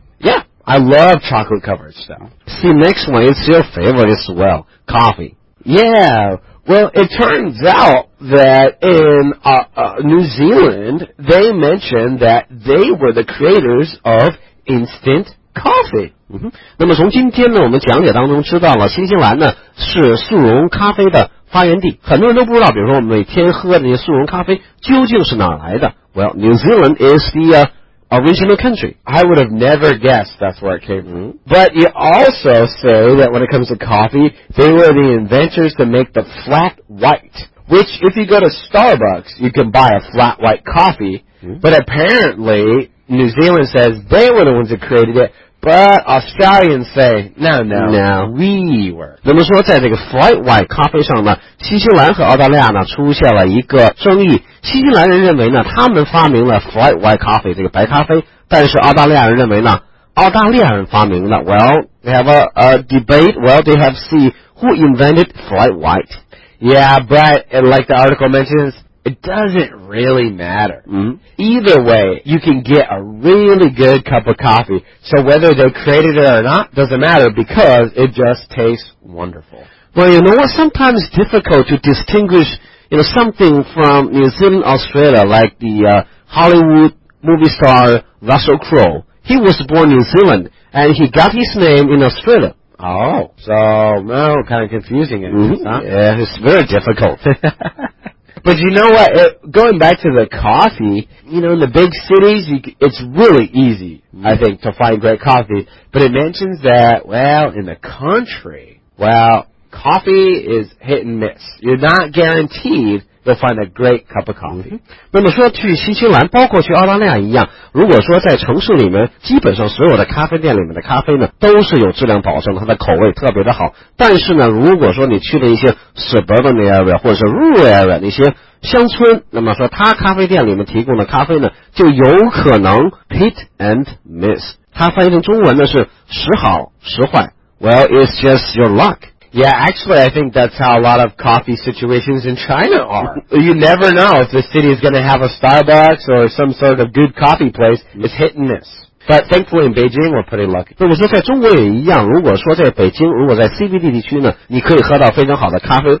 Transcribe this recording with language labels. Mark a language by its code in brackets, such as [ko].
[en] Yeah. I love chocolate-covered stuff. See, next one, it's your favorite as well, coffee. Yeah, well, it turns out that in New Zealand, they mentioned that they were the creators of instant coffee. [zh] 那么从今天呢，我们讲解当中知道了新西兰呢是速溶咖啡的发源地。很多人都不知道，比如说我们每天喝的那些速溶咖啡究竟是哪来的。 [en] Well, New Zealand is the original country. I would have never guessed that's where it came from. But you also say that when it comes to coffee, they were the inventors to make the flat white. Which, if you go to Starbucks, you can buy a flat white coffee. But apparently, New Zealand says they were the ones that created it. But Australians say, no, we were. [zh] 那么说在这个 flat white 咖啡上呢，新西兰和澳大利亚呢出现了一个争议。新西兰人认为呢，他们发明了 flat white 咖啡这个白咖啡，但是澳大利亚人认为呢，澳大利亚人发明了。 [en] Well, they have a debate. Well, they have see who invented flat white. Yeah, but like the article mentions, it doesn't really matter. Either way, you can get a really good cup of coffee. So whether they created it or not, doesn't matter because it just tastes wonderful. Well, you know what? Sometimes it's difficult to distinguish... You know, something from New Zealand, Australia, like the Hollywood movie star Russell Crowe. He was born in New Zealand, and he got his name in Australia. Oh, so, well, kind of confusing it. Yeah, it's very difficult. But you know what? Going back to the coffee, you know, in the big cities, it's really easy, I think, to find great coffee. But it mentions that, well, in the country, well... Coffee is hit and miss. You're not guaranteed you'll find a great cup of coffee. [zh] 那么说去新西兰包括去澳大利亚一样，如果说在城市里面基本上所有的咖啡店里面的咖啡呢都是有质量保证，它的口味特别的好。但是呢如果说你去了一些 [en] suburban area [zh] 或者是 [en] rural area [zh] 那些乡村，那么说它咖啡店里面提供的咖啡呢就有可能 [en] hit and miss。 [zh] 它翻译成中文呢是时好时坏。 [en] Well, it's just your luck. Yeah, actually, I think that's how a lot of coffee situations in China are. You never know if the city is going to have a Starbucks or some sort of good coffee place. It's hit and miss. But thankfully, in Beijing, we're pretty lucky. [zh] 那我说在中国也一样，如果说在北京，如果在 CBD 地区呢，你可以喝到非常好的咖啡。